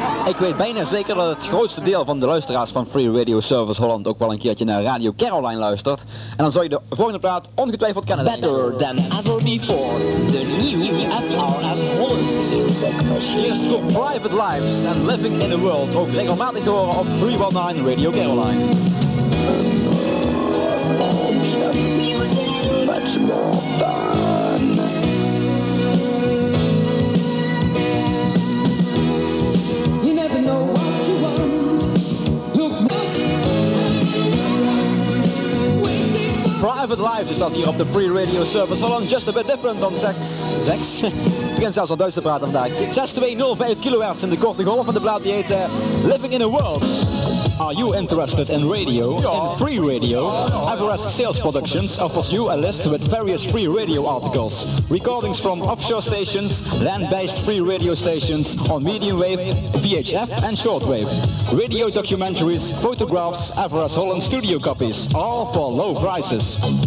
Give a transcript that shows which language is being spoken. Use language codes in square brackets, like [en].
[nl] Ik weet bijna zeker dat het grootste deel van de luisteraars van Free Radio Service Holland ook wel een keertje naar Radio Caroline luistert. En dan zal je de volgende plaat ongetwijfeld kennen. [en] Better than ever before, the new FRS Holland. [nl] Hier is voor Private Lives and Living in the World, ook regelmatig te horen op 319 Radio Caroline. Private Lives is dat hier op de Free Radio Service Holland, [en] just a bit different [nl] dan Sex. Ik begin zelfs al Duits te praten vandaag. 6205 kHz in de korte golf van de plaat die heet Living in a World. [en] Are you interested in radio, in free radio, Everest Sales Productions offers you a list with various free radio articles, recordings from offshore stations, land-based free radio stations on medium wave, VHF and shortwave, radio documentaries, photographs, Everest Holland studio copies, all for low prices.